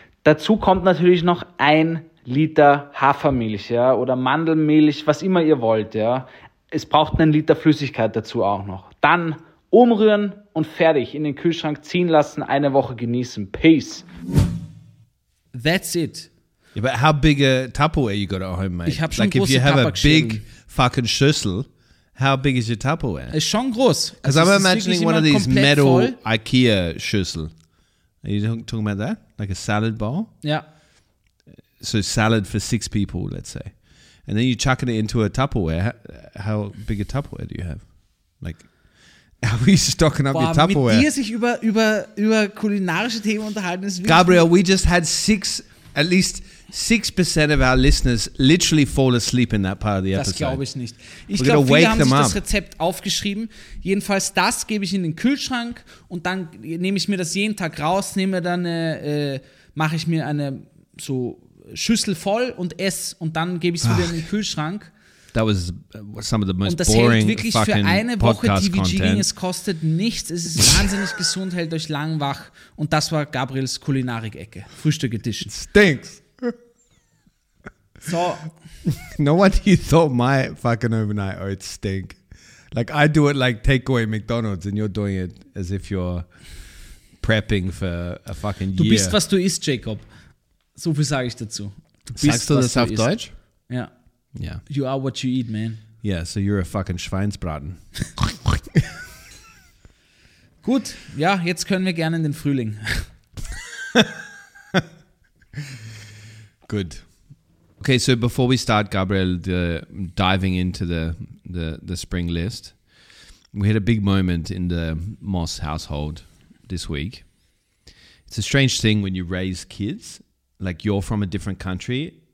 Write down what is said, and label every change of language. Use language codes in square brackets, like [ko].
[de] Dazu kommt natürlich noch ein Liter Hafermilch, ja, oder Mandelmilch, was immer ihr wollt, ja. Es braucht einen Liter Flüssigkeit dazu auch noch. Dann umrühren und fertig, in den Kühlschrank ziehen lassen, eine Woche genießen. [en] Peace. That's it. Yeah, but how big a Tupperware you got at home, mate? [de] Ich hab schon große Tupperware. [en] Like if you have a big fucking Schüssel, how big is your Tupperware? [de] Ist schon groß. [en] Because also I'm imagining one of these metal voll. IKEA Schüssel. Are you talking about that? Like a salad bowl? Yeah. So salad for six people, let's say. And then you're chucking it into a Tupperware. How big a Tupperware do you have? Like, are we stocking up your Tupperware? [de] Mit dir sich über kulinarische Themen unterhalten ist wirklich. [en] Gabriel, we just had at least 6% of our listeners literally fall asleep in that part of the episode. [de] Das glaube ich nicht. Ich glaube, viele haben sich das Rezept aufgeschrieben. Jedenfalls das gebe ich in den Kühlschrank und dann nehme ich mir das jeden Tag raus, mache ich mir eine so Schüssel voll und esse und dann gebe ich es wieder in den Kühlschrank. [en] That was some of the most boring fucking podcast content. [de] Und das hält wirklich für eine Woche TVG, es kostet nichts, es ist wahnsinnig gesund, hält euch lang wach. Und das war Gabriels Kulinarik-Ecke, Frühstück Edition. [en] Stinks. So. No wonder you thought my fucking overnight oats stink. Like I do it like takeaway McDonald's and you're doing it as if you're prepping for a fucking year. [de] Du bist, was du isst, Jacob. So viel sage ich dazu. Sagst du das auf Deutsch? Ja. [en] Yeah. You are what you eat, man. Yeah, so you're a fucking Schweinsbraten. [de] Gut, ja, jetzt können wir gerne in den Frühling. [en] Good. Okay, so before we start, Gabriel, diving into the spring list, we had a big moment in the Moss household this week. It's a strange thing when you raise kids, like you're from a different country.